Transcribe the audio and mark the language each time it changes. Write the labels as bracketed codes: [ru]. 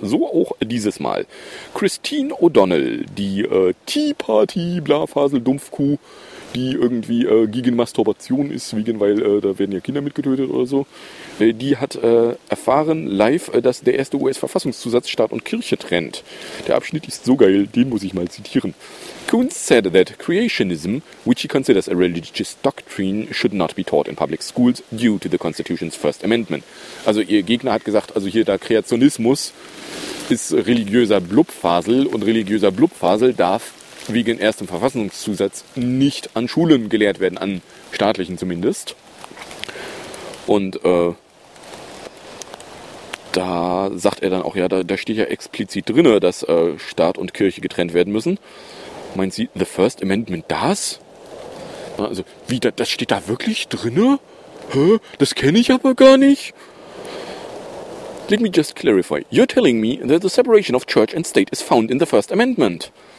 [de] So auch dieses Mal. Christine O'Donnell, die Tea Party Blafasel-Dumpfkuh, die irgendwie gegen Masturbation ist, wegen, weil da werden ja Kinder mitgetötet oder so, die hat erfahren live, dass der erste US-Verfassungszusatz Staat und Kirche trennt. Der Abschnitt ist so geil, den muss ich mal zitieren. [en] Kuhn said that creationism, which he considers a religious doctrine, should not be taught in public schools due to the Constitution's First Amendment. [de] Also ihr Gegner hat gesagt, also hier, da Kreationismus ist religiöser Blubfasel und religiöser Blubfasel darf wegen erstem Verfassungszusatz nicht an Schulen gelehrt werden, an staatlichen zumindest. Und da sagt er dann auch, ja, da steht ja explizit drin, dass Staat und Kirche getrennt werden müssen. Meint sie, the First Amendment, das? Also, wie, das steht da wirklich drin? Hä? Das kenne ich aber gar nicht. [en] Let me just clarify. You're telling me that the separation of church and state is found in the First Amendment.